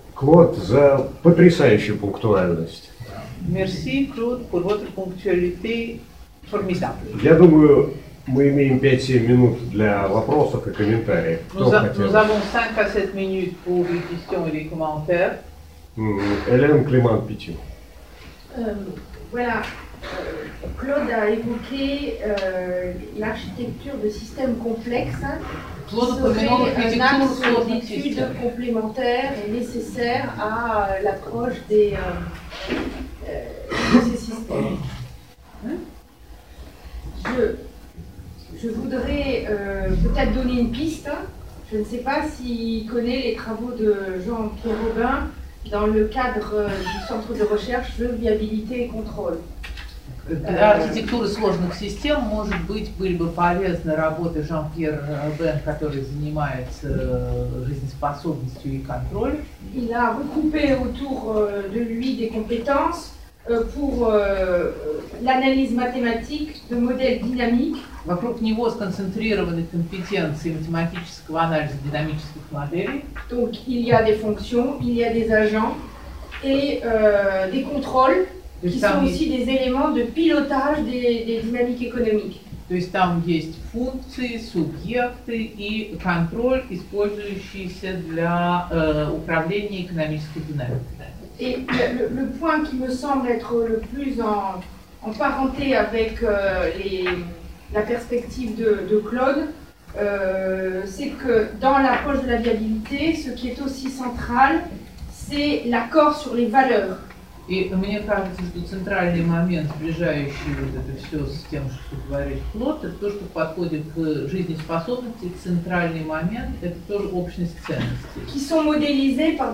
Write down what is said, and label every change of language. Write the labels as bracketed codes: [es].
[ru] Вот за потрясающую пунктуальность. [fr] Merci, Claude, pour votre ponctualité formidable. [ru] Я думаю, мы имеем 5-7 минут для вопросов и комментариев. [fr] Nous avons 5-7 minutes pour les questions et les commentaires. Hélène Clément-Petit. Voilà. Claude a évoqué l'architecture de systèmes complexes. Qui serait un axe d'études complémentaires et nécessaire à l'approche de ces systèmes. Je voudrais peut-être donner une piste. Je ne sais pas s'il connaît les travaux de Jean-Pierre Aubin dans le cadre du centre de recherche de viabilité et contrôle. [ru] Архитектуры сложных систем, может быть, были бы полезны работы Жан-Пьер Бен, который занимается жизнеспособностью и контролем. [fr] Il a regroupé autour de lui des compétences pour l'analyse mathématique de modèles dynamiques. [ru] Вокруг него сконцентрированы компетенции математического анализа динамических моделей. [fr] Donc il y a des fonctions, il y a des agents et des contrôles. Qui sont aussi des éléments de pilotage des dynamiques économiques. [ru] То есть там есть функции, субъекты и контроль, использующийся для управления экономической динамикой. [fr] Et le point qui me semble être le plus en parenté avec la perspective de Claude, c'est que dans l'approche de la viabilité, ce qui est aussi central, c'est l'accord sur les valeurs. [ru] И мне кажется, что центральный момент, сближающий вот это все с тем, что говорит Клод, это то, что подходит к жизнеспособности, центральный момент, это тоже общность ценностей.